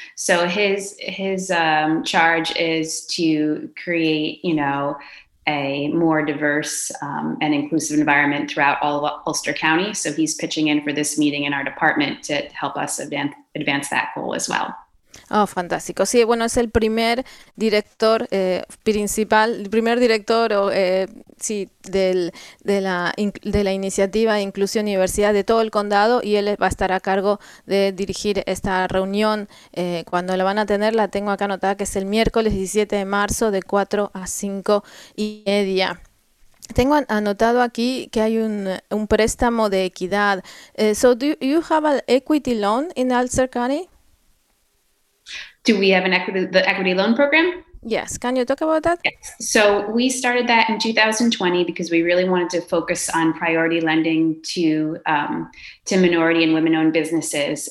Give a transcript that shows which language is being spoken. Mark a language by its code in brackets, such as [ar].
[en] So his charge is to create, you know, a more diverse and inclusive environment throughout all of Ulster County. So he's pitching in for this meeting in our department to help us advance that goal as well. [es] Oh, fantástico. Sí, bueno, es el primer director principal, el primer director de la iniciativa de inclusión y diversidad de todo el condado, y él va a estar a cargo de dirigir esta reunión. Cuando la van a tener, la tengo acá anotada, que es el miércoles 17 de marzo de 4 a 5 y media. Tengo anotado aquí que hay un préstamo de equidad. [en] So do you have an equity loan in Ulster County? Do we have the equity loan program? Yes. Can you talk about that? Yes. So we started that in 2020 because we really wanted to focus on priority lending to minority and women-owned businesses.